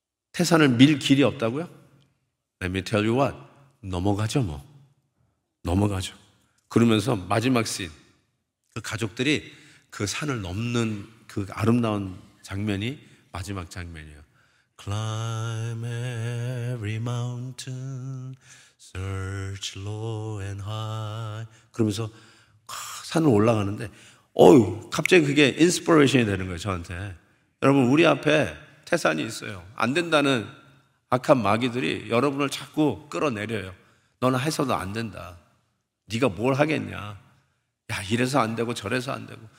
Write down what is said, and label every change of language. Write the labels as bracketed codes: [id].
[ko] 태산을 밀 길이 없다고요? [en] Let me tell you what. [ko] 넘어가죠 뭐. 넘어가죠. 그러면서 마지막 씬. 그 가족들이 그 산을 넘는 그 아름다운 장면이 마지막 장면이에요. [en] Climb every mountain, search low and high. [ko] 그러면서 산을 올라가는데, 어우, 갑자기 그게 인스퍼레이션이 되는 거예요, 저한테. 여러분, 우리 앞에 태산이 있어요. 안 된다는 악한 마귀들이 여러분을 자꾸 끌어내려요. 너는 해서도 안 된다. 네가 뭘 하겠냐. 야, 이래서 안 되고 저래서 안 되고.